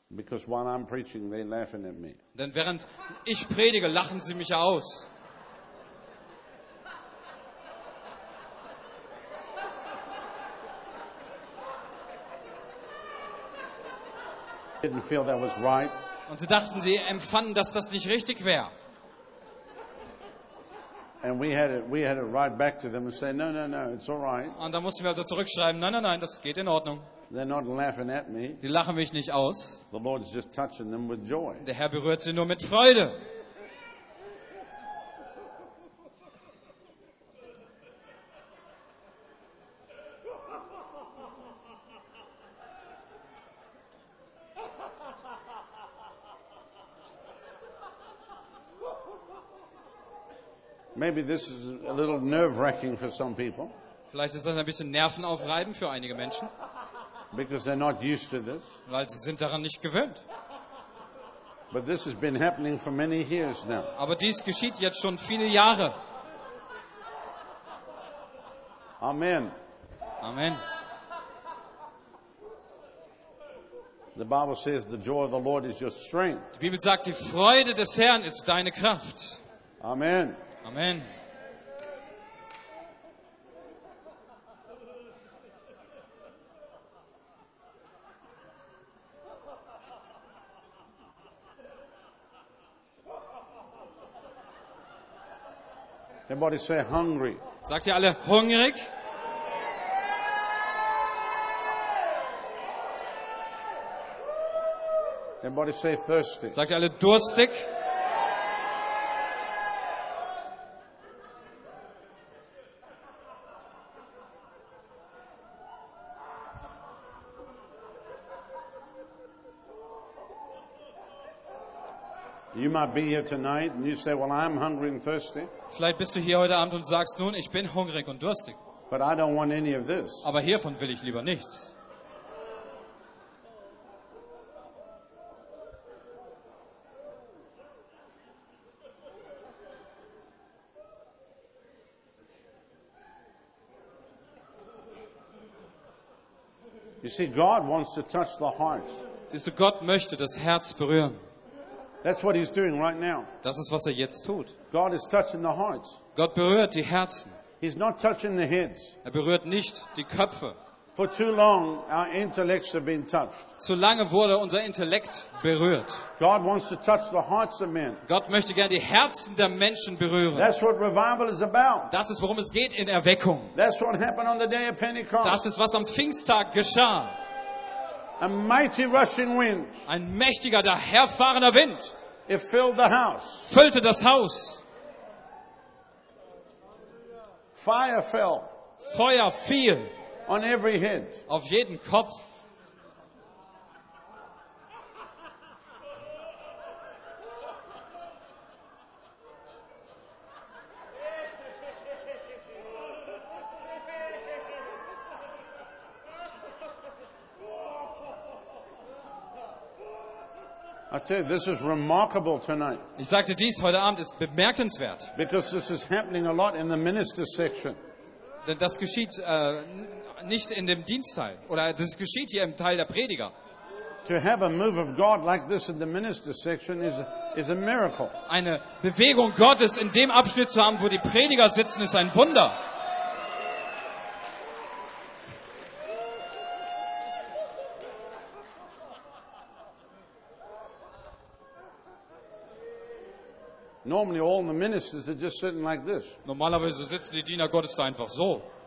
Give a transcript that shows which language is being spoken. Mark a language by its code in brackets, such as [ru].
[en] Because while I'm preaching, they laughing at me. [de] Denn während ich predige, lachen sie mich aus. [en] Didn't feel that was right. [de] Und sie dachten, sie empfanden, dass das nicht richtig wäre. [en] And we had to write back to them and say, no, no, no, it's all right. [de] Und dann mussten wir also zurückschreiben, nein, nein, nein, das geht in Ordnung. [en] They're not laughing at me. [de] Die lachen mich nicht aus. [en] The Lord's just touching them with joy. [de] Der Herr berührt sie nur mit Freude. [en] Maybe this is a little nerve-wracking for some people. [de] Vielleicht ist das ein bisschen nervenaufreibend für einige Menschen. [en] Because they're not used to this. [de] Weil sie sind daran nicht gewöhnt. [en] But this has been happening for many years now. [de] Aber dies geschieht jetzt schon viele Jahre. [en] Amen. [de] Amen. [en] The Bible says the joy of the Lord is your strength. [de] Die Bibel sagt, die Freude des Herrn ist deine Kraft. [en] Amen. [de] Amen. [en] Everybody say hungry. [de] Sagt ihr alle hungrig? [en] Everybody say thirsty. [de] Sagt ihr alle durstig? [en] You might be here tonight and you say, well, I'm hungry and thirsty. [de] Vielleicht bist du hier heute Abend und sagst nun, ich bin hungrig und durstig. [en] But I don't want any of this. [de] Aber hiervon will ich lieber nichts. [en] You see, God wants to touch the heart. [de] Siehst du, Gott möchte das Herz berühren. [en] That's what he's doing right now. [de] Das ist, was er jetzt tut. [en] God is touching the hearts. [de] Gott berührt die Herzen. [en] He's not touching the heads. [de] Er berührt nicht die Köpfe. [en] For too long, our intellects have been touched. [de] Zu lange wurde unser Intellekt berührt. [en] God wants to touch the hearts of men. [de] Gott möchte gerne die Herzen der Menschen berühren. [en] That's what revival is about. [de] Das ist, worum es geht in Erweckung. [en] That's what happened on the day of Pentecost. [de] Das ist, was am Pfingsttag geschah. [en] A mighty rushing wind. [de] Ein mächtiger, daherfahrender Wind. [en] It filled the house. [de] Füllte das Haus. [en] Fire fell. [de] Feuer fiel. [en] On every head. [de] Auf jeden Kopf. [en] I tell you, this is remarkable tonight. [de] Ich sagte, dies heute Abend ist bemerkenswert. [en] Because this is happening a lot in the minister section. [de] Denn das geschieht nicht in dem Dienstteil, oder das geschieht hier im Teil der Prediger. [en] To have a move of God like this in the minister section is a miracle. [de] Eine Bewegung Gottes in dem Abschnitt zu haben, wo die Prediger sitzen, ist ein Wunder. [en] Normally all the ministers are just sitting like this. [de] Normalerweise sitzen die Diener Gottes da einfach so.